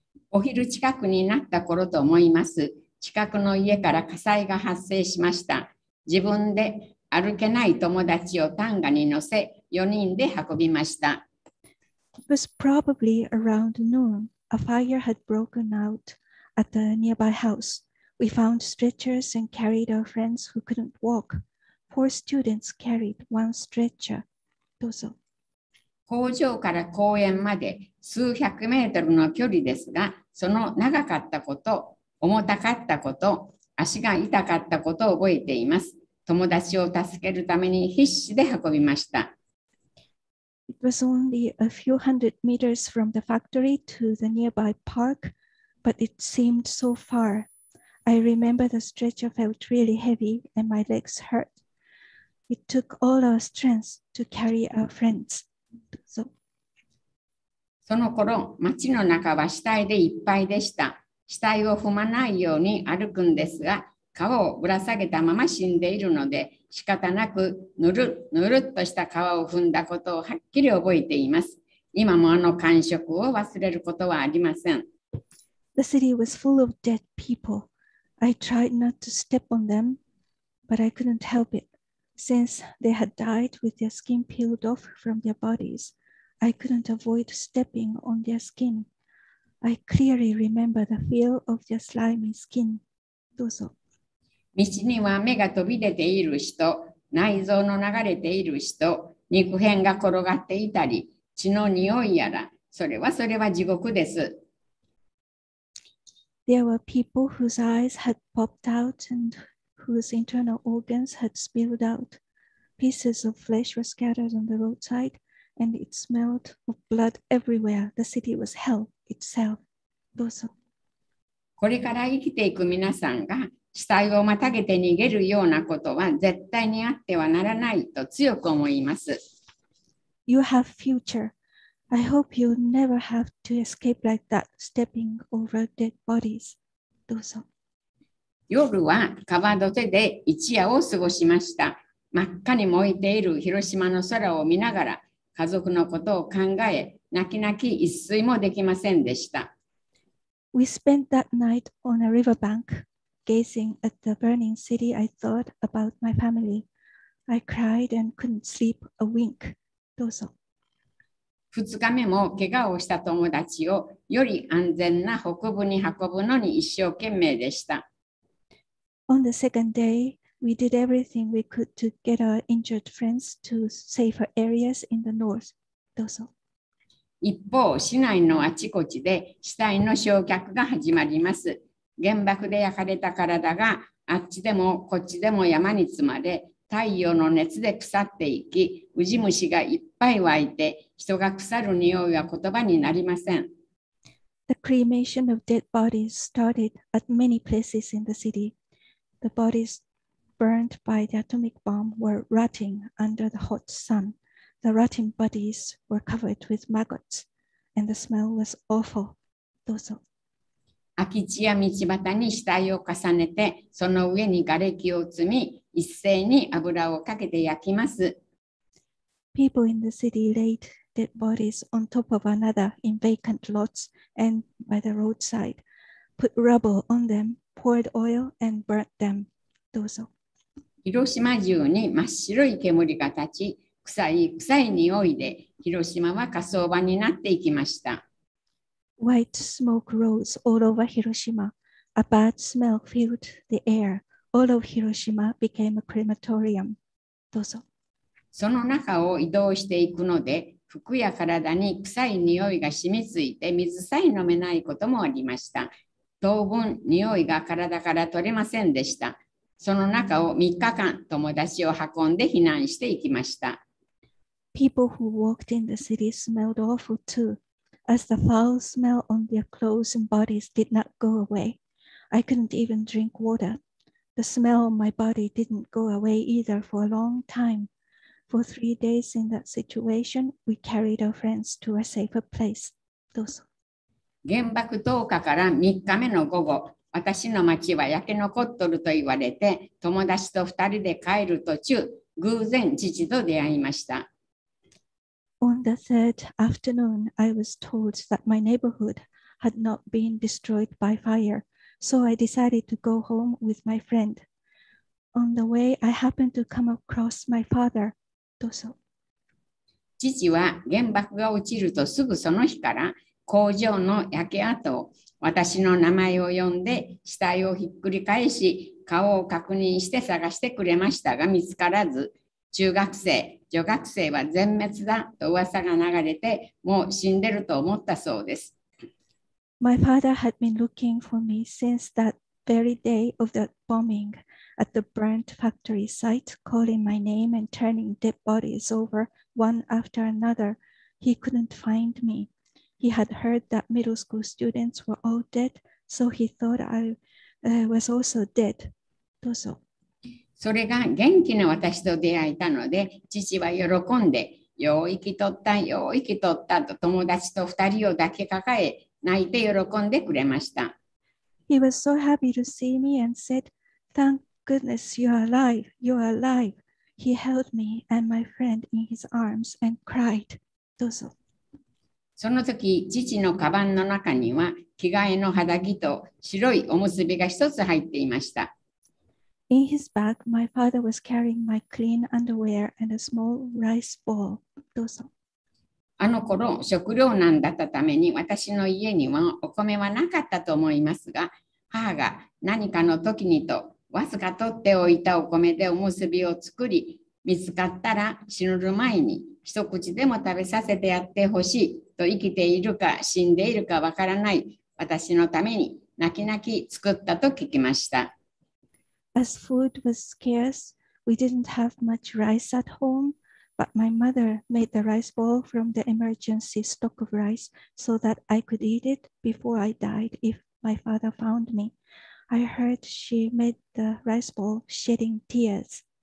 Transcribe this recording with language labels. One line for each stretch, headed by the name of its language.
Japanese: お昼近くになった頃と思います。近くの家から火災が発生しました。自分で歩けない友達を担架に乗せ、4人で運びました。
English: It was probably around noon. A fire had broken out at the nearby house. We found stretchers and carried our friends who couldn't walk. Four students carried one stretcher.
Japanese: どうぞ。工場から公園まで数百メートルの距離ですが、その長かったこと、重たかったこと、足が痛かったことを覚えています。友達を助けるために必死で運びました。
English: It was only a few hundred meters from the factory to the nearby park. but it seemed so far. I remember the stretcher felt really heavy and my legs hurt. It took all our strength to carry our friends. So.
Japanese: その頃、町の中は死体でいっぱいでした。死体を踏まないように歩くんですが、皮をぶら下げたまま死んでいるので、仕方なくぬるぬるっとした皮を踏んだことをはっきり覚えています。今もあの感触を忘れることはありません。
English: The city was full of dead people. I tried not to step on them, but I couldn't help it. Since they had died with their skin peeled off from their bodies, I couldn't avoid stepping on their skin. I clearly remember the feel of their slimy skin.
Japanese: どうぞ。道には目が飛び出ている人、内臓の流れている人、肉片が転がっていたり、血の匂いやら、それはそれは地獄です。
English: There were people whose eyes had popped out and whose internal organs had spilled out. Pieces of flesh were scattered on the roadside and it smelled of blood everywhere. The city was hell itself.
Japanese: どうぞ。これから生きていく皆さんが、死体をまたげて逃げるようなことは絶対にあってはならないと強く思います。
English: You have future. I hope you never have to escape like that, stepping over dead bodies.
Japanese: どうぞ。夜は川土手で一夜を過ごしました。真っ赤に燃えている広島の空を見ながら、家族のことを考え、泣き泣き一睡もできませんでした。
English: We spent that night on a riverbank. Gazing at the burning city, I thought about my family. I cried and couldn't sleep a wink.
Japanese: どうぞ。 2日目も怪我をした友達をより安全な北部に運ぶのに一生懸命でした。
English: On the second day, we did everything we could to get our injured friends to safer areas in the north.
Japanese: どうぞ。一方、市内のあちこちで死体の焼却が始まります。原爆で焼かれた体があっちでもこっちでも山に積まれ太陽の熱で腐っていきウジ虫がいっぱい湧いて人が腐る匂いは言葉になりません。
English: The cremation of dead bodies started at many places in the city. The bodies burned by the atomic bomb were rotting under the hot sun. The rotting bodies were covered with maggots and the smell was awful.
Japanese: どうぞ。空き地や道端に死体を重ねて、その上に瓦礫を積み、一斉に油をかけて焼きます。
English: People in the city laid dead bodies on top of another in vacant lots and by the roadside, put rubble on them, poured oil and burnt them.
Japanese: どうぞ。広島中に真っ白い煙が立ち、臭い臭い匂いで、広島は火葬場になっていきました。
English: White smoke rose all over Hiroshima. A bad smell filled the air. All of Hiroshima became a crematorium.
Japanese: どうぞ。その中を移動していくので、服や体に臭い匂いが染み付いて水さえ飲めないこともありました。当分匂いが体から取れませんでした。その中を3日間友達を運んで避難していきました。
English: People who walked in the city smelled awful too. As the foul smell on their clothes and bodies did not go away, I couldn't even drink water. The smell on my body didn't go away either for a long time. For 3 days in that situation, we carried our friends to a safer place.
Japanese: どうぞ。原爆投下から3日目の午後、私の町は焼け残っとると言われて、友達と2人で帰る途中、偶然父と出会いました。
English: On the third afternoon, I was told that my neighborhood had not been destroyed by fire, so I decided to go home with my friend. On the way, I happened to come across my father.
Japanese: どうぞ。父は原爆が落ちるとすぐその日から工場の焼け跡を私の名前を呼んで死体をひっくり返し顔を確認して探してくれましたが見つからず中学生女学生は全滅だと噂が流れて、もう死んでると思ったそうです。
English: My father had been looking for me since that very day of the bombing at the burnt factory site, calling my name and turning dead bodies over one after another. He couldn't find me. He had heard that middle school students were all dead, So he thought I was also dead.
Japanese: どうぞ。それが元気な私と出会えたので、父は喜んで、よう生きとった、よう生きとったと友達と二人を抱き抱え、泣いて喜んでくれました。
English: He was so happy to see me and said, Thank goodness you're alive, you're alive. He held me and my friend in his arms and cried.
Japanese: どうぞ。その時、父のカバンの中には着替えの肌着と白いおむすびが一つ入っていました。
English: In his bag, my father was carrying my clean underwear and a small rice ball.
Japanese: どうぞ。あの頃、食糧難だったために私の家にはお米はなかったと思いますが、母が何かの時にとわずか取っておいたお米でおむすびを作り、見つかったら死ぬ前に一口でも食べさせてやってほしいと生きているか死んでいるかわからない私のために泣き泣き作ったと聞きました。
English: As food was scarce, we didn't have much rice at home, but my mother made the rice ball from the emergency stock of rice so that I could eat it before I died if my father found me. I heard she made the rice ball shedding tears.